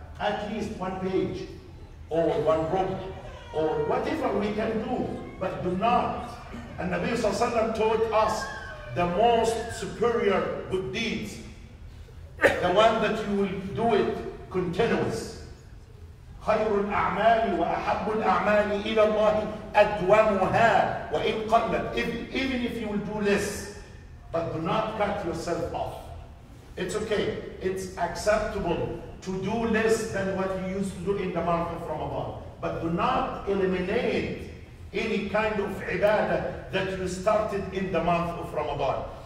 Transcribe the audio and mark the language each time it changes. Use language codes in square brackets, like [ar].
[en] At least one page or one book or whatever we can do, but do not. And Nabi sallallahu alayhi wa sallam taught us the most superior good deeds, the one that you will do it continuous. [ar] خير الأعمال وأحب الأعمال إلى الله أدومها وإن قلت. [en] Even if you will do less, but do not cut yourself off. It's okay. It's acceptable to do less than what you used to do in the month of Ramadan. But do not eliminate any kind of ibadah that you started in the month of Ramadan.